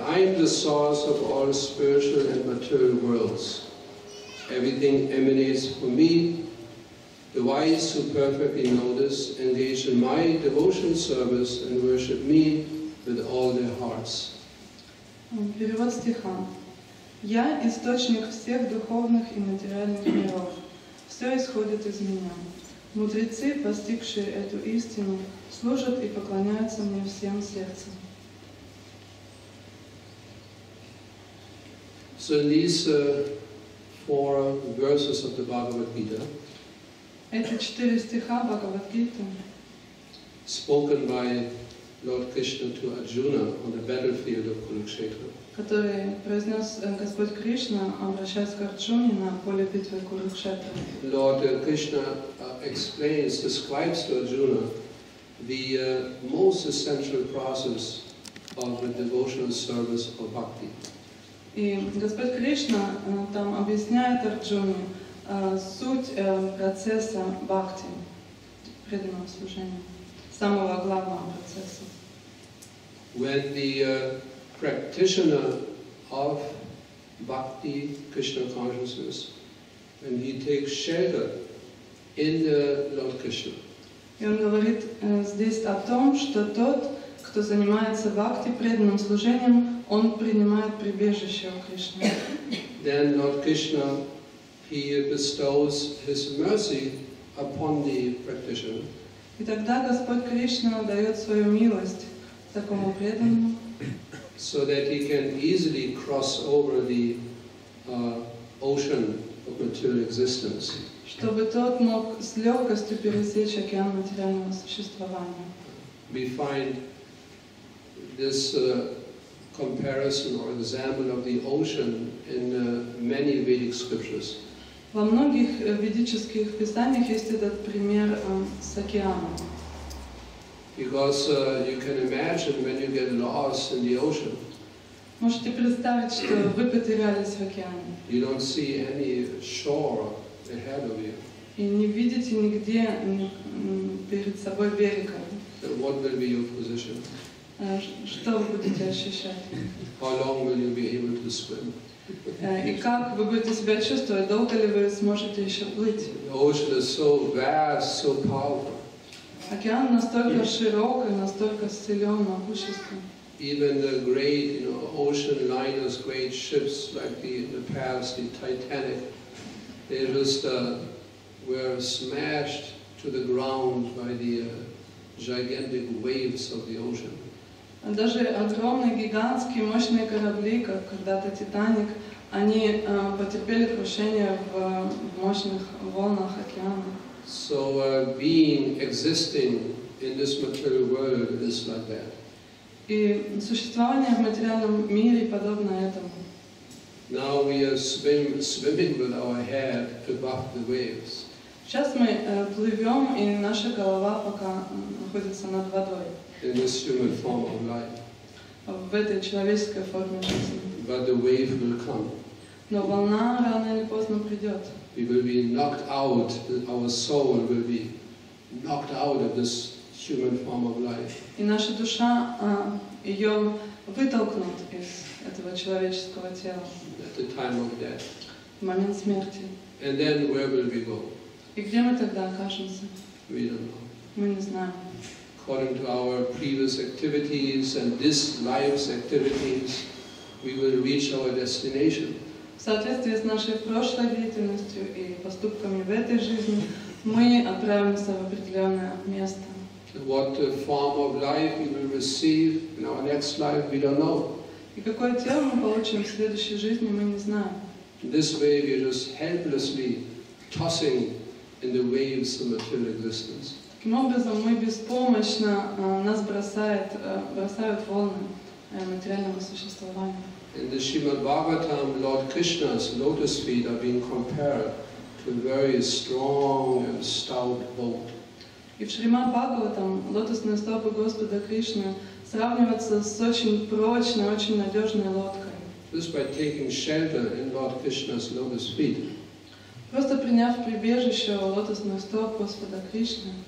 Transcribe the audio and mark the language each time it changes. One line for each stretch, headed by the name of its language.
English: I am the source of all spiritual and material worlds. Everything emanates from me. The wise who perfectly know this engage in my devotion service and worship me with all their hearts.
Russian: Перевод стиха. Я – источник всех духовных и материальных миров. Все исходит из меня. Мудрецы, постигшие эту истину, служат и поклоняются мне всем сердцем.
English: So in these four verses of the Bhagavad Gita,
Russian: эти четыре стиха Бхагавад Гиты,
English: spoken by Lord Krishna to Arjuna on the battlefield of Kurukshetra,
Russian: который произнес Господь Кришна, обращаясь к Арджуне на поле битвы Курукшетра.
English: Lord Krishna explains, describes to Arjuna the most essential process of the devotional service of bhakti.
Russian: И Господь Кришна там объясняет Арджуне суть процесса бхакти, преданного служения, самого главного процесса.
English: When the practitioner of bhakti, Krishna consciousness, and he takes shelter in the Lord Krishna.
Russian: И он говорит здесь о том, что тот, кто занимается бхакти, преданным служением, он принимает прибежище у Кришны.
English: Then Lord Krishna, he bestows his mercy upon the practitioner.
Russian: И тогда Господь Кришна дает свою милость такому преданному.
English: So that he can easily cross over the ocean of material existence.
Russian: Чтобы тот мог с легкостью пересечь океан материального существования.
English: We find this comparison or example of the ocean in many Vedic scriptures.
Russian: Во многих ведических писаниях есть этот пример с океаном.
English: Because you can imagine when you get lost in the ocean.
Russian: Можете представить, что вы потерялись в океане.
English: You don't see any shore ahead of you.
Russian: И не видите нигде перед собой берега.
English: What will be your position?
Russian: Что вы будете ощущать?
English: How long will you be able to swim?
Russian: И как вы будете себя чувствовать? Долго ли вы сможете еще плыть?
English: The ocean is so vast, so powerful.
Russian: Океан настолько широк и настолько силен, могущественный.
English: Even the great, you know, ocean liners, great ships like the past, the Titanic, they just were smashed to the ground by the gigantic waves of the ocean.
Russian: Даже огромные, гигантские, мощные корабли, как когда-то Титаник, они потерпели крушение в мощных волнах океана.
English: So being existing in this material world is like that.
Russian: И существование в материальном мире подобно этому.
English: Now we are swimming with our head to buff the waves.
Russian: Сейчас мы плывем, и наша голова пока находится над водой.
English: In this human form of life.
Russian: В этой человеческой форме жизни.
English: But the wave will come.
Russian: Но волна рано или поздно придет.
English: We will be knocked out. Our soul will be knocked out of this human form of life.
Russian: И наша душа ее вытолкнут из этого человеческого тела.
English: At the time of death.
Russian: В момент смерти.
English: And then where will we go?
Russian: И где мы тогда окажемся?
English: We don't know.
Russian: Мы не знаем.
English: According to our previous activities and this life's activities, we will reach our destination.
Russian: В соответствии с нашей прошлой деятельностью и поступками в этой жизни, мы отправимся в определенное место.
English: What form of life we will receive in our next life, we don't know.
Russian: И какое тело мы получим в следующей жизни, мы не знаем.
English: This way we are just helplessly tossing in the waves of material existence.
Russian: Таким образом, мы беспомощно, нас бросают волны материального существования.
English: In the Srimad Bhagavatam, Lord Krishna's lotus feet are being compared to a very strong and stout boat.
Russian: И в Шримад Бхагаватам лотосные стопы Господа Кришны сравниваются с очень прочной, очень надежной лодкой.
English: Just by taking shelter in Lord Krishna's lotus feet.
Russian: Просто приняв прибежище в лотосных стоп Господа Кришны.